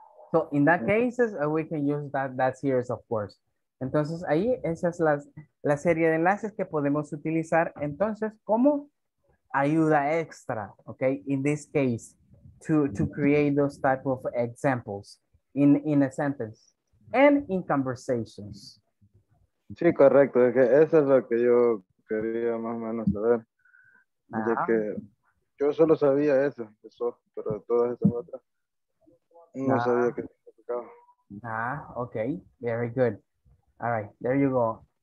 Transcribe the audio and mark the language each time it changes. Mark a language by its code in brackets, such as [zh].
[en] So, in that case, we can use that series, of course. [es] Entonces, ahí, esa es la serie de enlaces que podemos utilizar, entonces, como ayuda extra, okay? [en] In this case, to create those type of examples in a sentence and in conversations. [es] Sí, correcto. Es que eso es lo que yo quería más o menos saber. Ah. De que yo solo sabía eso, pero todas esas otras. [en] Ah, okay, very good. All right, there you go.